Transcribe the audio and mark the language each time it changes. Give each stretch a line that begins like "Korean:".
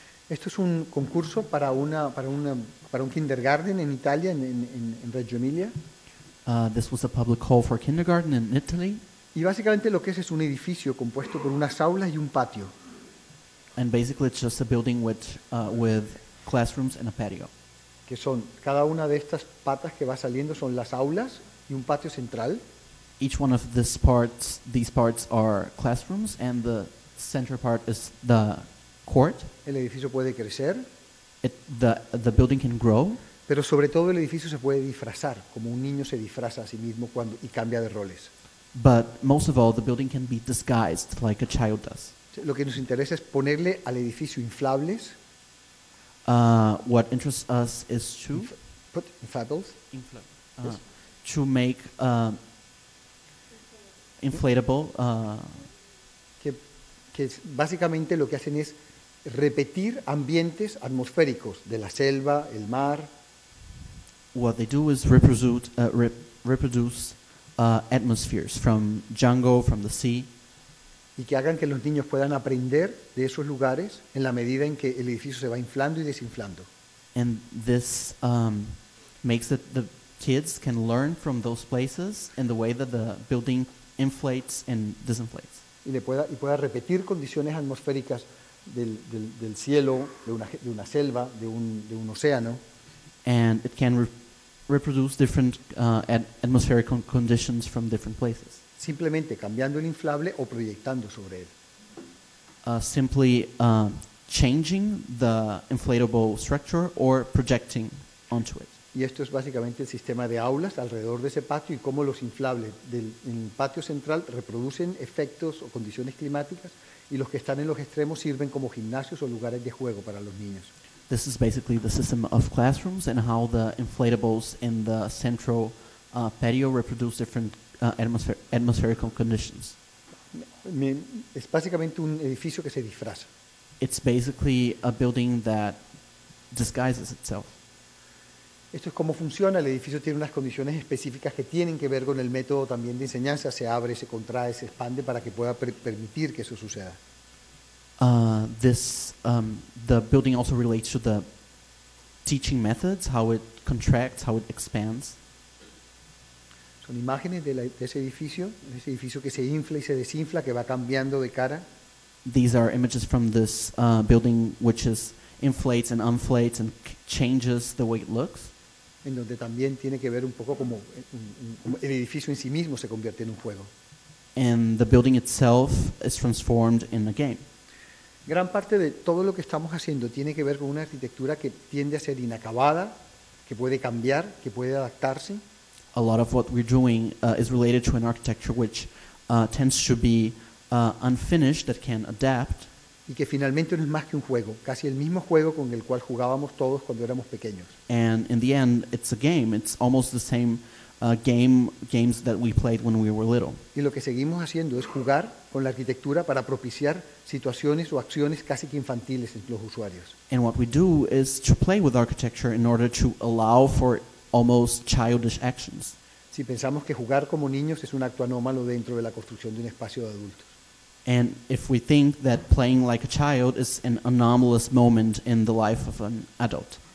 Spanish: Esto es un concurso para un kindergarten en Italia, en Reggio Emilia.
English: This was a public call for kindergarten in Italy.
Spanish: Y básicamente lo que es un edificio compuesto por unas aulas y un patio.
English: And basically it's just a building with classrooms and a patio.
Spanish: Que son cada una de estas patas que va saliendo son las aulas y un patio central.
English: Each one of these parts are classrooms, and the center part is the court.
Spanish: El edificio puede crecer.
English: The building can grow.
Spanish: Pero sobre todo el edificio se puede disfrazar, como un niño se disfraza a sí mismo cuando y cambia de roles.
English: But most of all, the building can be disguised like a child does.
Spanish: Lo que nos interesa es ponerle al edificio inflables.
English: What interests us is to put inflatables. To make inflatable.
Spanish: Que básicamente lo que hacen es repetir ambientes atmosféricos de la selva, el mar.
English: What they do is reproduce atmospheres from jungle, from the sea.
Spanish: Y que hagan que los niños puedan aprender de esos lugares en la medida en que el edificio se va inflando y desinflando.
English: And this makes it the kids can learn from those places in the way that the building inflates and disinflates.
Spanish: Y pueda repetir condiciones atmosféricas del cielo, de una selva, de un océano.
English: And it can reproduce different atmospheric conditions from different places.
Spanish: Simplemente cambiando el inflable o proyectando sobre él.
English: Simply changing the inflatable structure or projecting onto it.
Spanish: Y esto es básicamente el sistema de aulas alrededor de ese patio y cómo los inflables en el patio central reproducen efectos o condiciones climáticas y los que están en los extremos sirven como gimnasios o lugares de juego para los niños.
English: This is basically the system of classrooms and how the inflatables in the central patio reproduce different atmospheric conditions.
Spanish: Es básicamente un edificio que se disfraza.
English: It's basically a building that disguises itself.
Spanish: Esto es cómo funciona. El edificio tiene unas condiciones específicas que tienen que ver con el método también de enseñanza. Se abre, se contrae, se expande para que pueda permitir que eso suceda.
English: The building also relates to the teaching methods, how it contracts, how it expands.
Spanish: Son imágenes de ese edificio que se infla y se desinfla, que va cambiando de cara.
English: These are images from this building which is inflates and unflates and changes the way it looks.
Spanish: En donde también tiene que ver un poco como el edificio en sí mismo se convierte en un juego.
English: And the building itself is transformed in a game.
Spanish: Gran parte de todo lo que estamos haciendo tiene que ver con una arquitectura que tiende a ser inacabada, que puede cambiar, que puede adaptarse.
English: A lot of what we're doing is related to an architecture which tends to be unfinished, that can adapt.
Spanish: Y que finalmente no es más que un juego, casi el mismo juego con el cual jugábamos todos cuando éramos pequeños.
English: And in the end, it's a game. It's almost the same games that we played when we were little.
Spanish: Y lo que seguimos haciendo es jugar con la arquitectura para propiciar situaciones o acciones casi que infantiles en los usuarios.
English: And what we do is to play with architecture in order to allow for almost childish actions.
Spanish: Si pensamos que jugar como niños es un acto anómalo dentro de la construcción de un espacio de adultos.
English: And if we think that playing like a child is an anomalous moment in the life of an adult.